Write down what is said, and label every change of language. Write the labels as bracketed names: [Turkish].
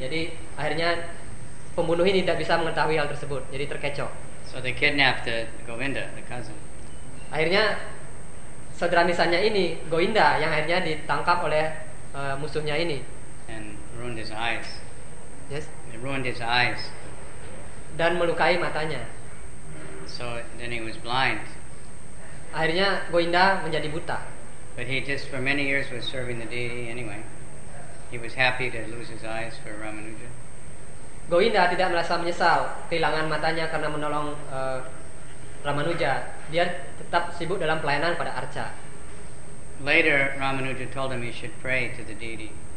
[Indonesian] Jadi akhirnya pembunuh ini tidak bisa mengetahui hal tersebut, jadi terkecoh. [English] So they kidnapped the Govinda, the cousin. [Indonesian] Akhirnya saudara misannya ini, Govinda, yang akhirnya ditangkap oleh musuhnya ini. [English] And ruined his eyes. Yes. They ruined his eyes. [Indonesian] Dan melukai matanya. [English] So then he was blind. [Indonesian] Akhirnya Govinda menjadi buta. [English] But he just for many years was serving the deity anyway. He was happy to lose his eyes for Ramanuja. [Indonesian] Govinda tidak merasa menyesal kehilangan matanya karena menolong Ramanuja. Dia tetap sibuk dalam pelayanan pada Arca. [English] Later, Ramanuja told him he should pray to the deity.